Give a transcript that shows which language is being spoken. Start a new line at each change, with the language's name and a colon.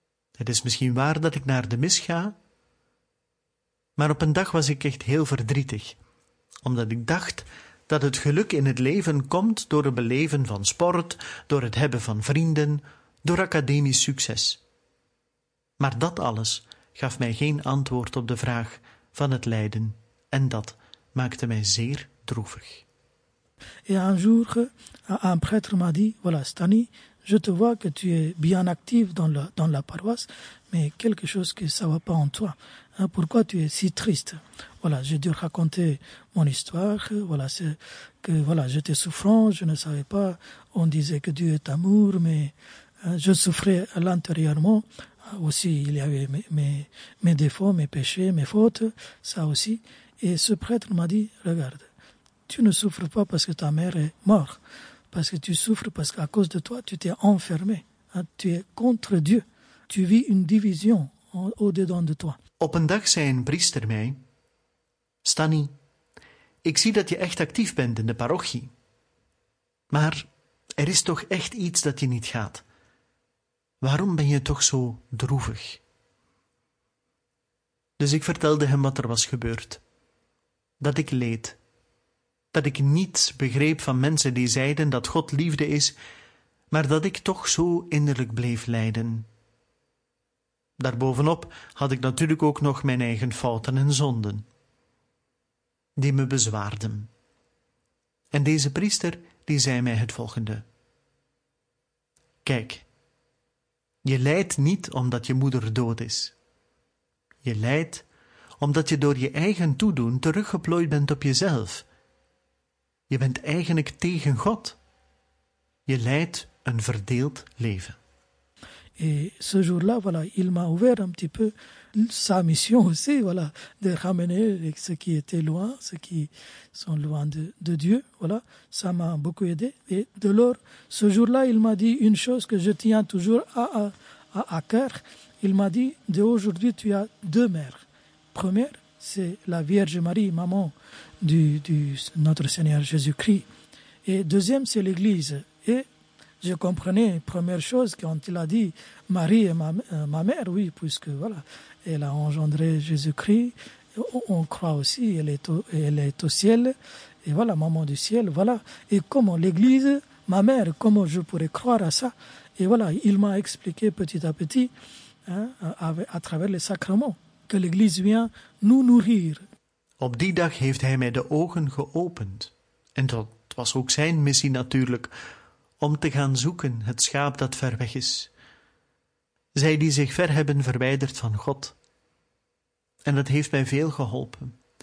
Dutch: Het is misschien waar dat ik naar de mis ga, maar op een dag was ik echt heel verdrietig, omdat ik dacht dat het geluk in het leven komt door het beleven van sport, door het hebben van vrienden, door academisch succes. Maar dat alles gaf mij geen antwoord op de vraag van het lijden en dat maakte mij zeer droevig.
French: Et un jour, un prêtre m'a dit, voilà, Stani, je te vois que tu es bien actif dans la paroisse, mais quelque chose que ça va pas en toi. Pourquoi tu es si triste? Voilà, j'ai dû raconter mon histoire. Voilà, c'est que, voilà, j'étais souffrant, je ne savais pas. On disait que Dieu est amour, mais je souffrais à l'intérieurement. Aussi, il y avait mes défauts, mes péchés, mes fautes, ça aussi. Et ce prêtre m'a dit, regarde. Tu ne souffres pas parce que ta mère est morte, parce que tu souffres parce qu'à cause de toi, tu t'es enfermé. Tu es contre Dieu. Tu vis une division au-dedans de toi.
Dutch: Op een dag zei een priester mij, Stani, ik zie dat je echt actief bent in de parochie. Maar er is toch echt iets dat je niet gaat. Waarom ben je toch zo droevig? Dus ik vertelde hem wat er was gebeurd. Dat ik leed. Dat ik niets begreep van mensen die zeiden dat God liefde is, maar dat ik toch zo innerlijk bleef lijden. Daarbovenop had ik natuurlijk ook nog mijn eigen fouten en zonden, die me bezwaarden. En deze priester die zei mij het volgende. Kijk, je lijdt niet omdat je moeder dood is. Je lijdt omdat je door je eigen toedoen teruggeplooid bent op jezelf. Je bent eigenlijk tegen God. Je leidt een verdeeld leven.
French: Et ce jour-là, voilà, il m'a ouvert un petit peu sa mission aussi, voilà, de ramener ceux qui étaient loin, ceux qui sont loin de Dieu, voilà. Ça m'a beaucoup aidé. Et de lors, ce jour-là, il m'a dit une chose que je tiens toujours à cœur. Il m'a dit, d'aujourd'hui, tu as deux mères. Première, c'est la Vierge Marie, maman du notre Seigneur Jésus-Christ. Et deuxième, c'est l'Église. Et je comprenais, première chose, quand il a dit, Marie est ma mère, oui, puisque voilà, elle a engendré Jésus-Christ. On croit aussi, elle est au ciel. Et voilà, maman du ciel, voilà. Et comment l'Église, ma mère, comment je pourrais croire à ça? Et voilà, il m'a expliqué petit à petit, à travers les sacrements. que l'Église vient nous nourrir.
Dutch: Op die dag heeft hij mij de ogen geopend. En dat was ook zijn missie natuurlijk, om te gaan zoeken het schaap dat ver weg is. Zij die zich ver hebben verwijderd van God. En dat heeft mij veel geholpen.